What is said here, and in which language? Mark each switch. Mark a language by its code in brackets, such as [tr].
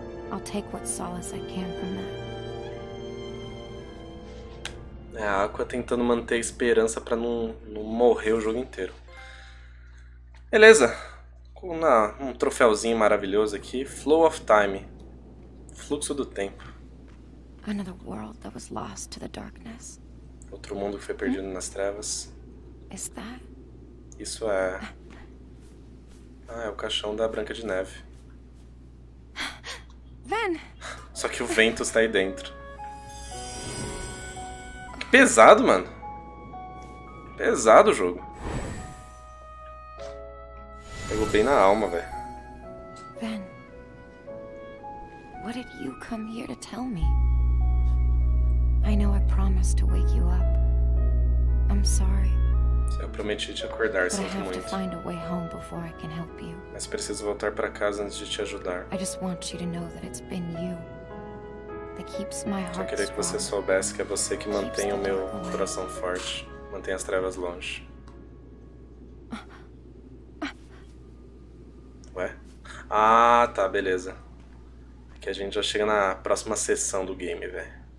[en] I'll take what solace I can from that. [pt] É a Aqua tentando manter a esperança pra não morrer o jogo inteiro. Beleza. Um troféuzinho maravilhoso aqui. Flow of Time. Fluxo do tempo. [en] Another world that was lost to the darkness. [pt] Outro mundo que foi perdido nas trevas. [en] Is that? [pt] Isso é. Ah, é o caixão da Branca de Neve. Ven! Só que o vento está aí dentro. Que pesado, mano. Pesado o jogo. Pegou bem na alma, velho. Ven. [en] What did you come here to tell me? I know I promised to wake you up. I'm sorry. [pt] Eu prometi te acordar, [en] but [pt] sinto [en] I have [pt] muito. [en] To find a way home before I can help you. [pt] Mas preciso voltar para casa antes de te ajudar. [en] I just want you to know that it's been you that keeps my heart. [pt] Só queria que você soubesse que é você que mantém o meu coração forte, mantém as trevas longe. Ué? Ah, tá, beleza. Aqui a gente já chega na próxima sessão do game, velho.